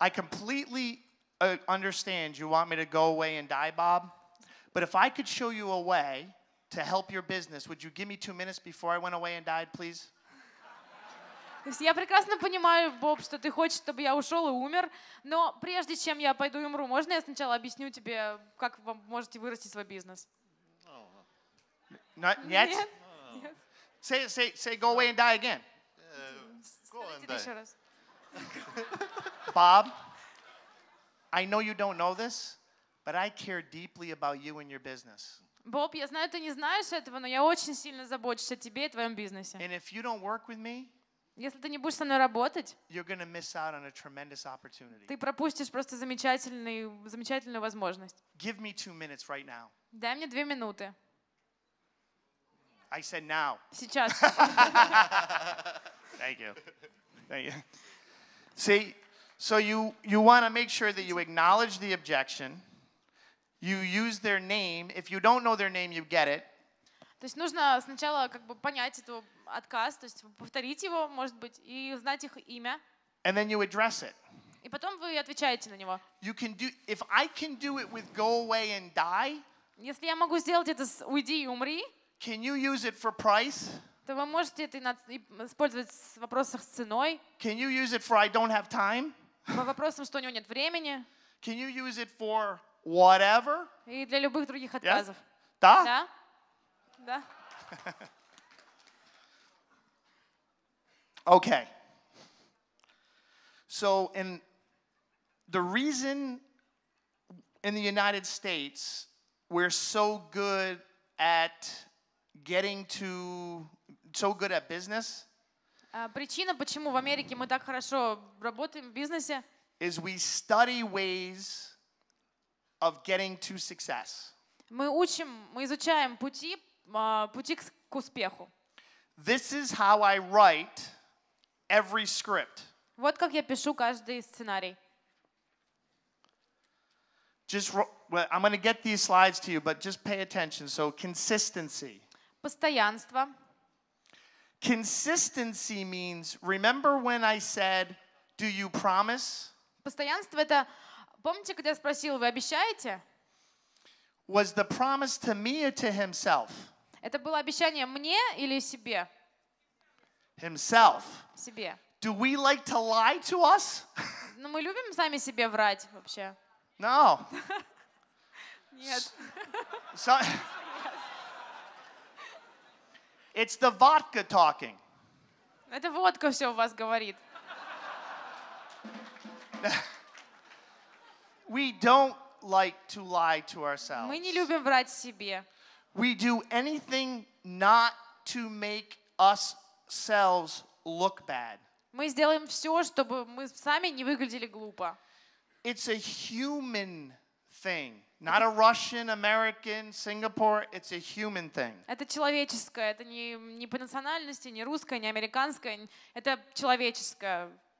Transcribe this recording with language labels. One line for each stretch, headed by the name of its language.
English: I completely understand you want me to go away and die, Bob. But if I could show you a way to help your business, would you give me 2 minutes before I went away and died, please?
Russian: Я прекрасно понимаю, Боб, что ты хочешь, чтобы я ушел и умер. Но прежде чем я пойду и умру, можно я сначала объясню тебе, как вы можете вырасти свой бизнес?
English: Not yet? Say go away and die again. Go and die. Bob? I know you don't know this, but I care deeply about you and your business.
Russian: Боб, я знаю, ты не знаешь этого, но я очень сильно забочусь о тебе и твоем бизнесе.
English: And if you don't work with me,
Russian: если ты не будешь со мной работать,
English: you're going to miss out on a tremendous opportunity.
Russian: Ты пропустишь просто замечательную возможность.
English: Give me 2 minutes right now.
Russian: Дай мне 2 минуты.
English: I said now.
Russian: Сейчас.
English: Thank you. See. So you want to make sure that you acknowledge the objection. You use their name. If you don't know their name, you get it.
Russian: То есть нужно сначала как бы понять этот отказ, то есть повторить его, может быть, и знать их имя.
English: And then you address it.
Russian: И потом вы отвечаете на него.
English: You can do, if I can do it with go away and die.
Russian: Если я могу сделать это с уйди и умри.
English: Can you use it for price?
Russian: То вы можете это использовать в вопросах с ценой.
English: Can you use it for I don't have time?
Russian: По вопросам, что у него нет времени.
English: Can you use it for whatever?
Russian: И для любых других отказов. Да? Да. Да.
English: Okay. So in the reason in the United States we're so good at getting to so good at business.
Russian: Причина, почему в Америке мы так хорошо работаем в бизнесе,
English: is we study ways of getting to success.
Russian: Мы учим, мы изучаем пути, пути к успеху.
English: This is how I write every script.
Russian: Вот как я пишу каждый сценарий.
English: Just, well, I'm going to get these slides to you, but just pay attention. So, consistency.
Russian: Постоянство.
English: Consistency means, remember when I said, do you promise?
Russian: Постоянство — это, помните, когда я спросил, вы обещаете?
English: Was the promise to me or to himself?
Russian: Это было обещание мне или себе?
English: Himself.
Russian: Себе.
English: Do we like to lie to us?
Russian: Но мы любим сами себе врать вообще.
English: No.
Russian: Нет.
English: So, it's the vodka talking.
Russian: Это водка все у вас говорит.
English: We don't like to lie to ourselves.
Russian: Мы не любим врать себе.
English: We do anything not to make ourselves look bad.
Russian: Мы сделаем все, чтобы мы сами не выглядели глупо.
English: It's a human thing. Not a Russian, American, Singapore. It's a human thing.
Russian: Это человеческое. Это не по национальности, не русское, не американское. Это человеческое.